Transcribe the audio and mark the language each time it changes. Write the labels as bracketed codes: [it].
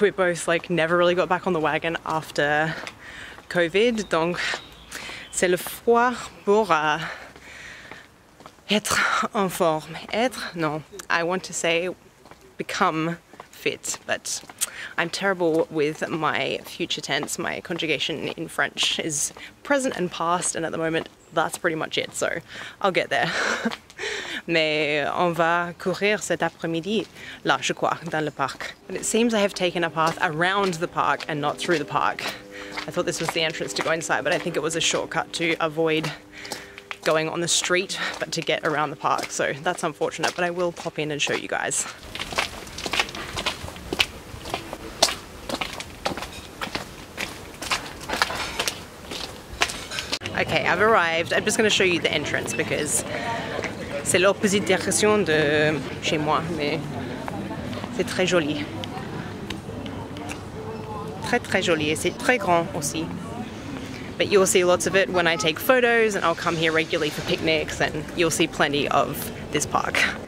[en] We both like never really got back on the wagon after COVID, [fr] donc c'est le froid pour être en forme. Être? [en] No. I want to say become fit, but I'm terrible with my future tense. My conjugation in French is present and past, and at the moment, that's pretty much it. So I'll get there. [fr] mais on va courir cet après-midi, là, je crois, dans le parc. [en] But it seems I have taken a path around the park and not through the park. I thought this was the entrance to go inside, but I think it was a shortcut to avoid going on the street, but to get around the park. So that's unfortunate, but I will pop in and show you guys. Okay, I've arrived. I'm just gonna show you the entrance because [fr] c'est l'opposite direction de chez moi, mais c'est très joli. Très, très joli, et c'est très grand aussi. [en] But you'll see lots of it when I take photos and I'll come here regularly for picnics and you'll see plenty of this park.